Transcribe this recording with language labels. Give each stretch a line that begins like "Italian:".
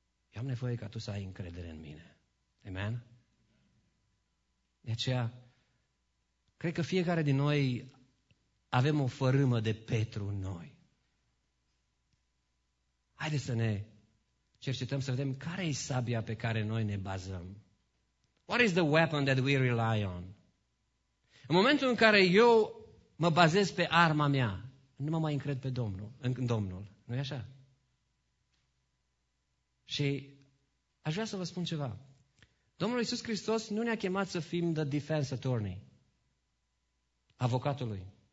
Romanian: Eu am nevoie ca tu să ai încredere în mine. Amen? De aceea, cred că fiecare din noi avem o fărâmă de Petru în noi. Haideți să ne cercetăm să vedem care e sabia pe care noi ne bazăm.
English: What is the weapon that we rely on?
Romanian: În momentul în care eu mă bazez pe arma mea, nu mă mai încred pe Domnul, în Domnul. Nu e așa? Și aș vrea să vă spun ceva. Domnul Iisus Hristos nu ne-a chemat să fim
English: the defense attorney,
Romanian: avocatului.